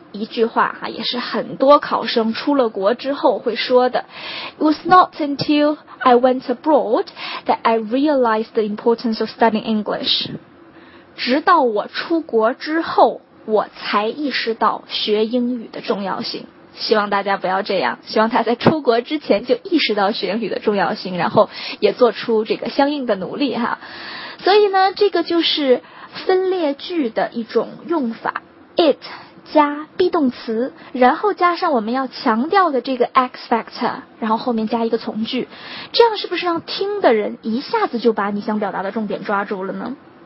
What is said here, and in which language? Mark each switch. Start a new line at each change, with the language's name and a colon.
Chinese: 一句话哈，也是很多考生出了国之后会说的。
English: It was not until I went abroad that I realized the importance of studying English.
Chinese: 直到我出国之后，我才意识到学英语的重要性。希望大家不要这样，希望他在出国之前就意识到学英语的重要性，然后也做出这个相应的努力哈。所以呢，这个就是分裂句的一种用法， it 加 be 动词，然后加上我们要强调的这个 X factor， 然后后面加一个从句，这样是不是让听的人一下子就把你想表达的重点抓住了呢？